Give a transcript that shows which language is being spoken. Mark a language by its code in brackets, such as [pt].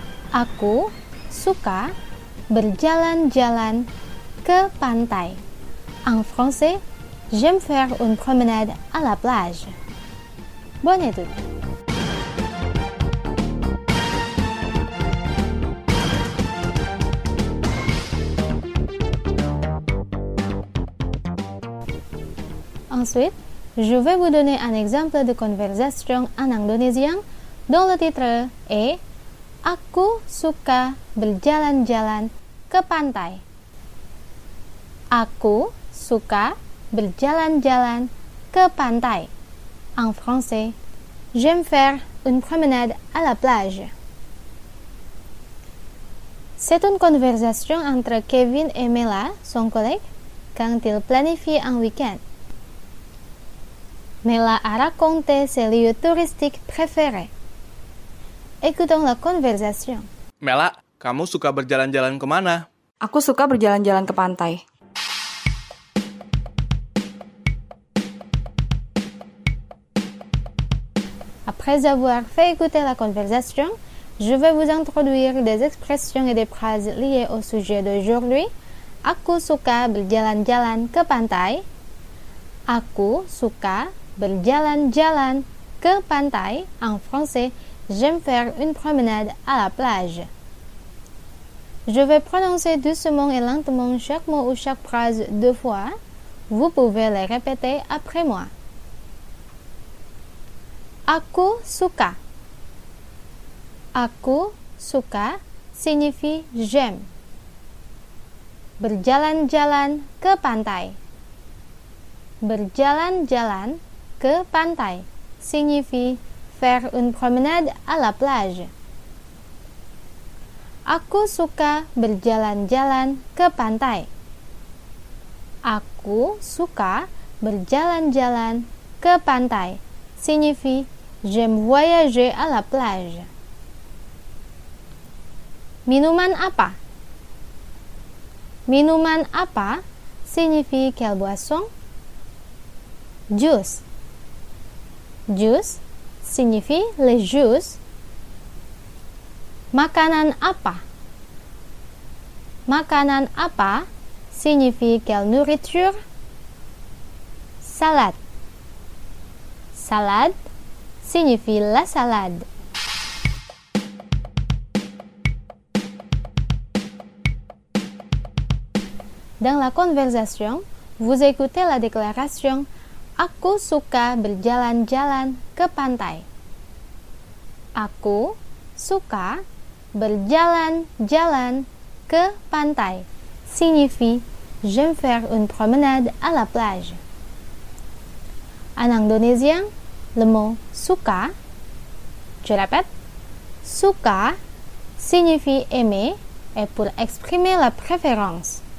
[id] Aku suka berjalan-jalan ke pantai. [fr] En français, j'aime faire une promenade à la plage. Bonne étude. Ensuite, je vais vous donner un exemple de conversation en indonésien dont le titre est [id] Aku suka berjalan-jalan ke pantai. Aku suka berjalan-jalan ke pantai. [fr] En français, j'aime faire une promenade à la plage. C'est une conversation entre Kevin et Mela, son collègue, quand ils planifient un week-end. Mela a raconté ses lieux touristiques préférés. Écoutons la conversation. [id] Mela, kamu suka berjalan-jalan kemana? Aku suka berjalan-jalan ke pantai. [fr] Après avoir fait écouter la conversation, je vais vous introduire des expressions et des phrases liées au sujet d'aujourd'hui. [id] Aku suka berjalan-jalan ke pantai. Aku suka berjalan-jalan ke pantai. [fr] En français, j'aime faire une promenade à la plage. Je vais prononcer doucement et lentement chaque mot ou chaque phrase deux fois. Vous pouvez les répéter après moi. [id] Aku suka. Aku suka [fr] signifie j'aime. [id] Berjalan-jalan ke pantai. Berjalan-jalan ke pantai [fr] signifie faire une promenade à la plage. [id] Aku suka berjalan-jalan ke pantai. Aku suka berjalan-jalan ke pantai. [fr] Signifie j'aime voyager à la plage. [id] Minuman apa? Minuman apa [fr] signifie quelle boisson? Jus. Jus signifie le jus. [id] Makanan apa? Makanan apa [fr] signifie quelle nourriture? Salade. Salade signifie la salade. Dans la conversation, vous écoutez la déclaration [id] Aku suka berjalan-jalan ke pantai. Aku suka berjalan-jalan ke pantai [fr] signifie j'aime faire une promenade à la plage. En indonésien, le mot suka, je répète, suka signifie aimer et pour exprimer la préférence.